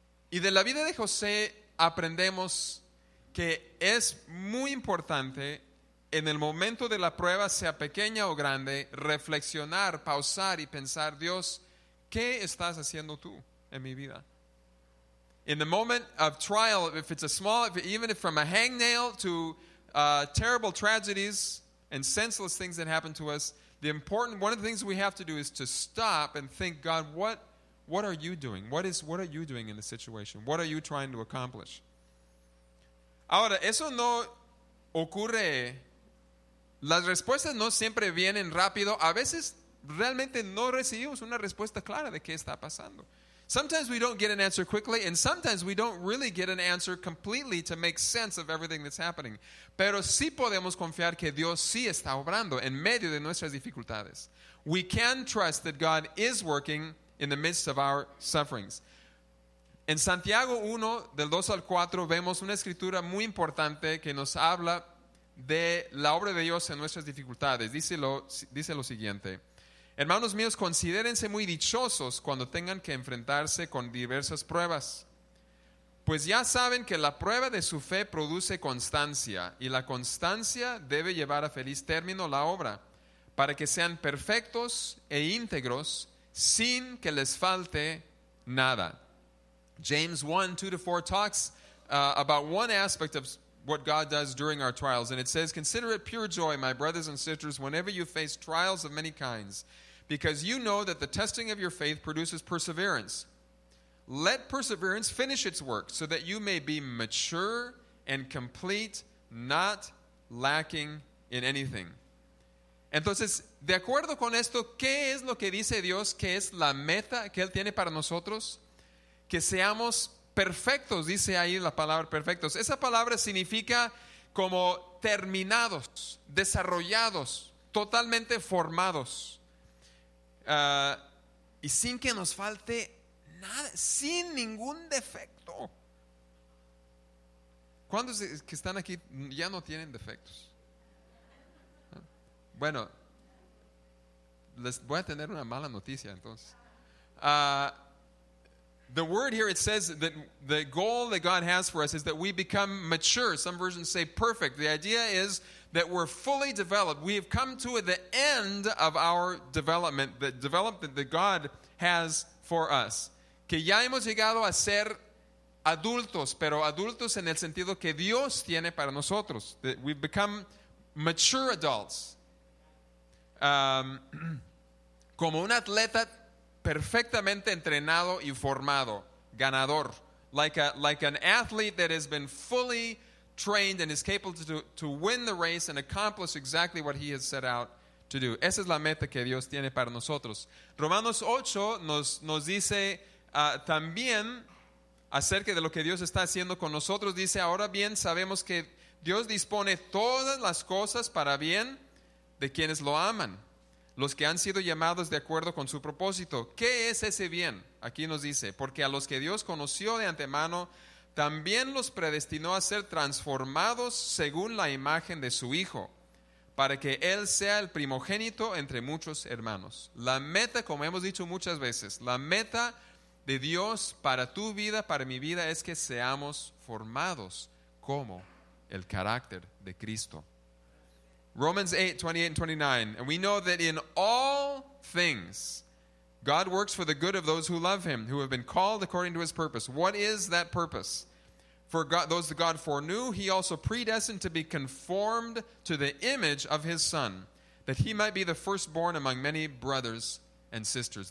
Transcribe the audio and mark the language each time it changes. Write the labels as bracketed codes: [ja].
[es] Y de la vida de José aprendemos que es muy importante en el momento de la prueba, sea pequeña o grande, reflexionar, pausar y pensar, Dios, ¿Qué estás haciendo tú en mi vida? [en] In the moment of trial, if it's a small, even if from a hangnail to terrible tragedies and senseless things that happen to us, the important, one of the things we have to do is to stop and think, God, what are you doing? What are you doing in the situation? What are you trying to accomplish? [es] Ahora, eso no ocurre. Las respuestas no siempre vienen rápido. A veces realmente no recibimos una respuesta clara de qué está pasando. [en] Sometimes we don't get an answer quickly, and sometimes we don't really get an answer completely to make sense of everything that's happening. [es] Pero sí podemos confiar que Dios sí está obrando en medio de nuestras dificultades. [en] We can trust that God is working in the midst of our sufferings. [es] En Santiago 1, del 2 al 4, vemos una escritura muy importante que nos habla de la obra de Dios en nuestras dificultades. Dice lo siguiente: Hermanos míos, considérense muy dichosos cuando tengan que enfrentarse con diversas pruebas. Pues ya saben que la prueba de su fe produce constancia, y la constancia debe llevar a feliz término la obra, para que sean perfectos e íntegros, sin que les falte nada. [en] James 1, 2-4 talks about one aspect of what God does during our trials, and it says, Consider it pure joy, my brothers and sisters, whenever you face trials of many kinds, because you know that the testing of your faith produces perseverance. Let perseverance finish its work, so that you may be mature and complete, not lacking in anything. [es] Entonces, de acuerdo con esto, ¿qué es lo que dice Dios? ¿Qué es la meta que Él tiene para nosotros? Que seamos perfectos, dice ahí la palabra perfectos. Esa palabra significa como terminados, desarrollados, totalmente formados. Y sin que nos falte nada, sin ningún defecto. ¿Cuántos que están aquí ya no tienen defectos? Bueno, les voy a tener una mala noticia entonces. [en] The word here, it says that the goal that God has for us is that we become mature. Some versions say perfect. The idea is that we're fully developed. We have come to the end of our development that God has for us. [es] Que ya hemos llegado a ser adultos, pero adultos en el sentido que Dios tiene para nosotros. [en] That we've become mature adults. [es] Como un atleta perfectamente entrenado y formado, ganador. [en] Like an athlete that has been fully trained and is capable to win the race and accomplish exactly what he has set out to do. [es] Esa es la meta que Dios tiene para nosotros. Romanos 8 nos dice también acerca de lo que Dios está haciendo con nosotros. Dice, ahora bien, sabemos que Dios dispone todas las cosas para bien de quienes lo aman, los que han sido llamados de acuerdo con su propósito. ¿Qué es ese bien? Aquí nos dice, porque a los que Dios conoció de antemano, también los predestinó a ser transformados según la imagen de su Hijo, para que Él sea el primogénito entre muchos hermanos. La meta, como hemos dicho muchas veces, la meta de Dios para tu vida, para mi vida, es que seamos formados como el carácter de Cristo. [en] Romans 8, 28 and 29. And we know that in all things, God works for the good of those who love him, who have been called according to his purpose. What is that purpose? For God, those that God foreknew, he also predestined to be conformed to the image of his son, that he might be the firstborn among many brothers and sisters.